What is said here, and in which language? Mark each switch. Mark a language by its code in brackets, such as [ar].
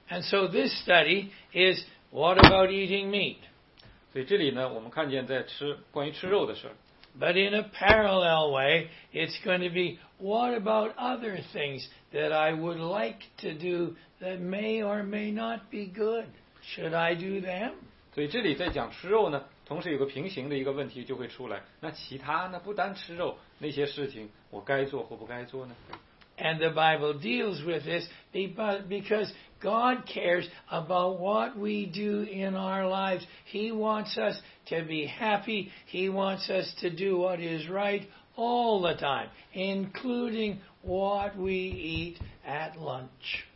[en] And so this study is what about eating meat? [zh] 所以这里呢，我们看见在吃关于吃肉的事。 [en] But in a parallel way, it's going to be, what about other things that I would like to do that may or may not be good? Should I do them? [zh] 所以这里在讲吃肉呢，同时有个平行的一个问题就会出来。那其他呢，不单吃肉，那些事情我该做或不该做呢？ [en] And the Bible deals with this because God cares about what we do in our lives. He wants us to be happy. He wants us to do what is right all the time, including what we eat at lunch.